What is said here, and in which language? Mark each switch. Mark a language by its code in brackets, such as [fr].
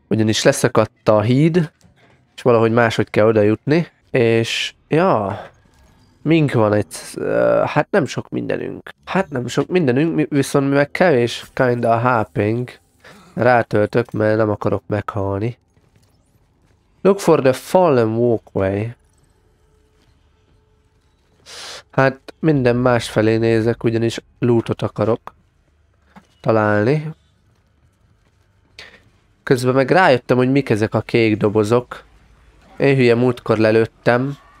[hu] Ugyanis leszakadt a híd, és valahogy máshogy kell oda jutni. És... ja... Mink van egy... hát nem sok mindenünk. Hát nem sok mindenünk, viszont mi meg kevés kinda HP-nk. Rátöltök, mert nem akarok meghalni. [en] Look for the fallen walkway. [hu] Hát minden másfelé nézek, ugyanis lootot akarok találni. Közben meg rájöttem, hogy mik ezek a kék dobozok. Én hülye múltkor lelőttem.